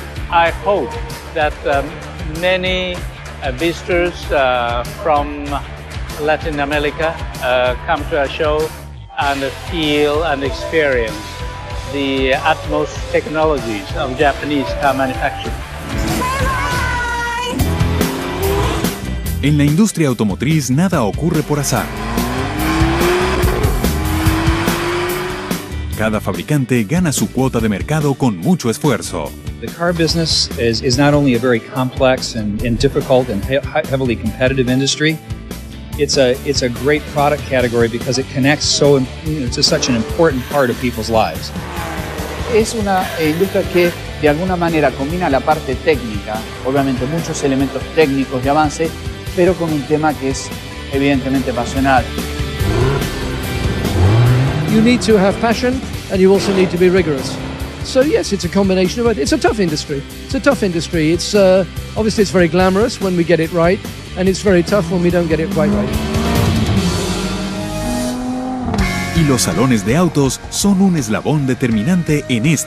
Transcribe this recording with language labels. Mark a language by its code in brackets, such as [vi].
[en] I hope that many visitors from Latin America come to our show and feel and experience the utmost technologies of Japanese car manufacturing. [es] En la industria automotriz, nada ocurre por azar. Cada fabricante gana su cuota de mercado con mucho esfuerzo. [en] The car business is not only a very complex and difficult and heavily competitive industry, it's a great product category because it connects so, you know, to such an important part of people's lives. [es] Es una industria que de alguna manera combina la parte técnica, obviamente muchos elementos técnicos de avance, pero con un tema que es evidentemente pasional. [en] You need to have passion and you also need to be rigorous. So yes, it's a combination of both. It's a tough industry. It's a tough industry. It's obviously it's very glamorous when we get it right, and it's very tough when we don't get it quite right. [es] Y los salones de autos son un eslabón determinante en esta